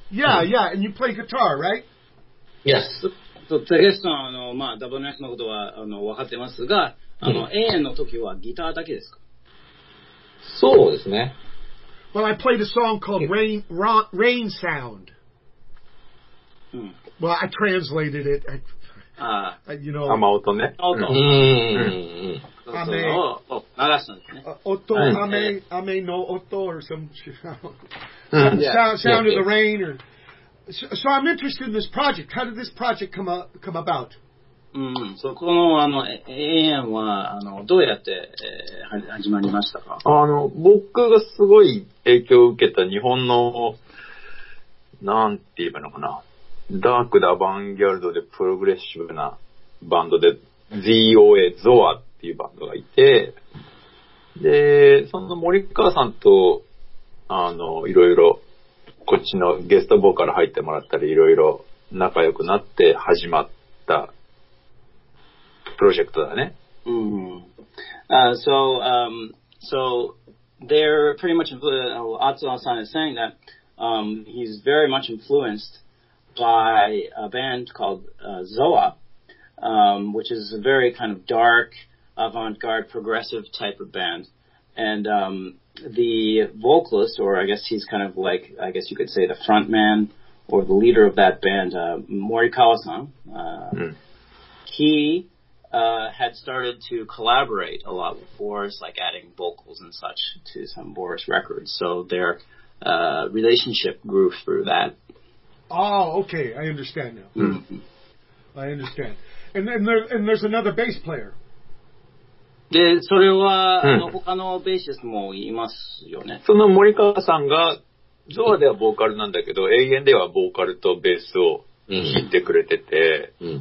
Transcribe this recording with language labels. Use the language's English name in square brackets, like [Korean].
[English] Yeah, and you play guitar, right? Yes. [Japanese] そう、テゲスさん、まあ、ダブルネックのことは、わかってますが、永遠の時はギターだけですか？そうですね。 [English] Well, I played a song called Rain Sound. [Japanese] うん。 [English] Well, I translated it. You know. [Japanese] 雨音ね。雨音。うん。雨を流すんですね。音、雨、雨の音 [English] or some sound of the rain or... So I'm interested in this project. How did this project come about? [Japanese] そこの永遠はどうやって始まりましたか？僕がすごい影響を受けた日本のなんて言えばいいのかな、ダークでアバンギャルドでプログレッシブなバンドで ZOA ゾアっていうバンドがいて、でその森川さんといろいろこっちのゲストボーカル入ってもらったりいろいろ仲良くなって始まったプロジェクトだね。 [English] So they're pretty much Atsuo san is saying that he's very much influenced by a band called Zoa, which is a very kind of dark avant-garde progressive type of band, and the vocalist, or I guess he's kind of like, I guess you could say the front man or the leader of that band, Morikawa-san, he had started to collaborate a lot with Boris, like adding vocals and such to some Boris records. So their relationship grew through that. Oh, okay. I understand now. Mm-hmm. I understand. And there's another bass player. [Japanese] で、それは、他のベーシストもいますよね。その森川さんが、ゾアではボーカルなんだけど、永遠ではボーカルとベースを弾いてくれてて。